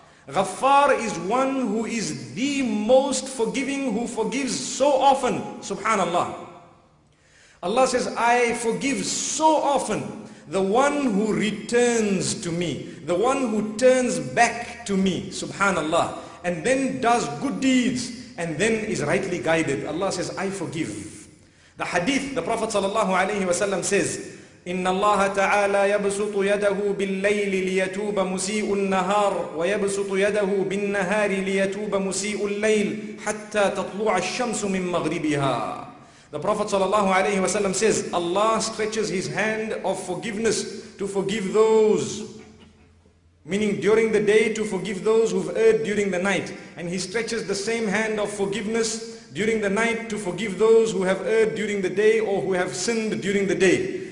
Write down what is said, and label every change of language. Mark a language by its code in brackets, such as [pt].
[en] غَفَّار is one who is the most forgiving, who forgives so often. Subhanallah. Allah says, I forgive so often the one who returns to me, the one who turns back to me, subhanallah, and then does good deeds and then is rightly guided. Allah says, I forgive. The hadith, the Prophet sallallahu alayhi wa sallam says, [ar] إِنَّ اللَّهَ تَعَالَى يَبْسُطُ يَدَهُ بِاللَّيْلِ لِيَتُوبَ مُسِيءُ النَّهَارِ وَيَبْسُطُ يَدَهُ بِالنَّهَارِ لِيَتُوبَ مُسِيءُ اللَّيْلِ حَتَّى تَطْلُعَ الشَّمْسُ مِن مَغْرِبِهَا. [en] The Prophet sallallahu alayhi wa sallam says, Allah stretches his hand of forgiveness to forgive those, meaning during the day to forgive those who've erred during the night. And he stretches the same hand of forgiveness during the night to forgive those who have erred during the day or who have sinned during the day.